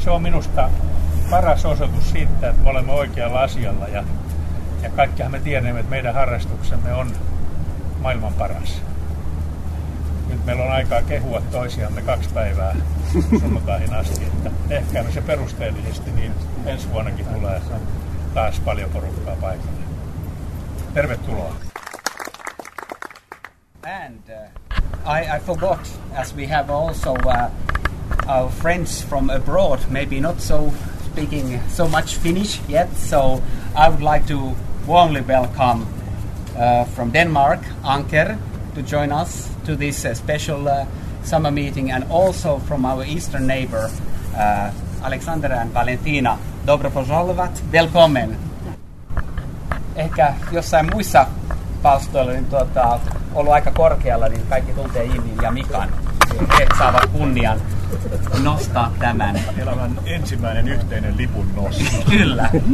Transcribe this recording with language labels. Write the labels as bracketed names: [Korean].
[Finnish] Se on minusta paras osoitus siitä, että me olemme oikealla asialla ja kaikkihan me tiedämme, että meidän harrastuksemme on maailman paras. Nyt meillä on aikaa kehua toisiamme 2 päivää sunnuntaihin asti, että ehkä se perusteellisesti, niin ensi vuonnakin tulee taas paljon porukkaa paikalle. Tervetuloa! [English] And I forgot, as we have also our friends from abroad, maybe not so speaking so much Finnish yet, so I would like to warmly welcome from Denmark, Anker, to join us to this special summer meeting, and also from our eastern neighbor, Alexandra and Valentina. [Russian] Dobro pozdravat, [Danish] velkommen. [Finnish] Ehkä jossain muissa palstoilla niin ollut aika korkealla, niin kaikki tuntee Jimmin ja Mikan. He saavat kunnian nostaa tämän. Elämän ensimmäinen yhteinen lipun nosto. Kyllä.